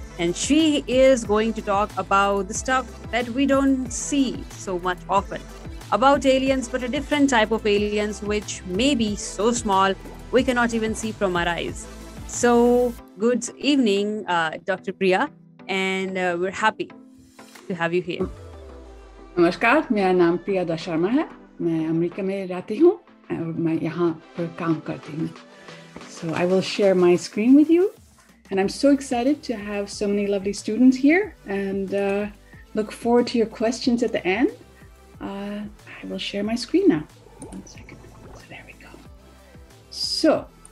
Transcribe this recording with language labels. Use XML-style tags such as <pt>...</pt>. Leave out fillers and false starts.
<en>And she is going to talk about the stuff that we don't see so much often, about aliens, but a different type of aliens, which may be so small we cannot even see from our eyes. So good evening, Dr. Priya, and we're happy to have you here.</en> <hi>नमस्कार, मेरा नाम Priya DasSarma है। मैं America में रहती हूँ और मैं यहाँ पर काम करती हूँ।</hi> <en>So I will share my screen with you, and I'm so excited to have so many lovely students here, and look forward to your questions at the end. I will share my screen now. One second. So there we go. So.</en>